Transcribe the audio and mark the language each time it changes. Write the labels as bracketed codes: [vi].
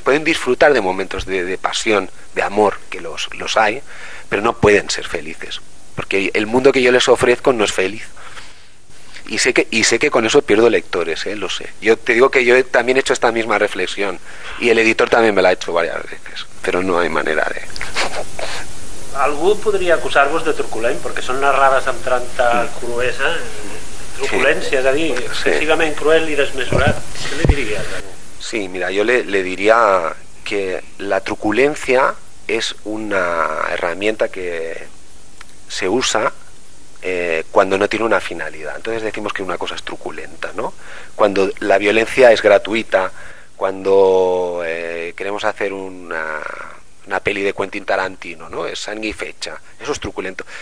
[es] Pueden disfrutar de momentos de pasión, de amor, que los hay, pero no pueden ser felices, porque el mundo que yo les ofrezco no es feliz. Y sé que con eso pierdo lectores, lo sé. Yo te digo que yo también he hecho esta misma reflexión, y el editor también me la ha hecho varias veces, pero no hay manera de... [ca] Algú podria acusar-vos de truculent, perquè són narrades amb tanta cruesa, truculència, és a dir, excessivament cruel i desmesurat. Què li diria? [es] Sí, mira, yo le diría que la truculencia es una herramienta que se usa cuando no tiene una finalidad. Entonces decimos que una cosa es truculenta, ¿no? Cuando la violencia es gratuita, cuando queremos hacer una peli de Quentin Tarantino, ¿no? Es sangre y fecha. Eso es truculento.